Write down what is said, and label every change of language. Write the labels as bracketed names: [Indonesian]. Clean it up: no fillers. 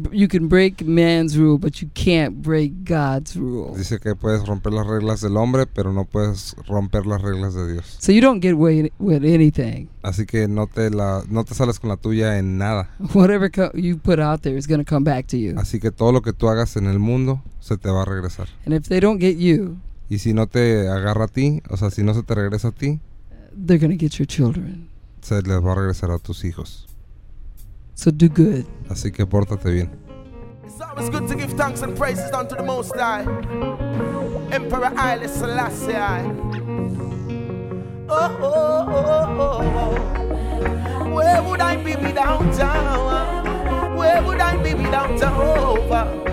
[English] You can break man's rule, but you can't break God's rule. [Spanish] Dice que puedes romper las reglas del hombre, pero no puedes romper las reglas de Dios. [English] So you don't get away with anything. [Spanish] Así que no te sales con la tuya en nada. [English] Whatever you put out there is going to come back to you. [Spanish] Así que todo lo que tú hagas en el mundo se te va a regresar. [English] And if they don't get you, [Spanish] y si no te agarra a ti, o sea, si no se te regresa a ti, [English] they're going to get your children. [Spanish] Se les va a regresar a tus hijos. [English] So do good. [Spanish] Así que pórtate bien. [English] It's always good to give thanks and praises unto the Most High, Emperor Haile Selassie. Oh, oh, oh, oh, oh. Where would I be without Jah? Where would I be without Jehovah?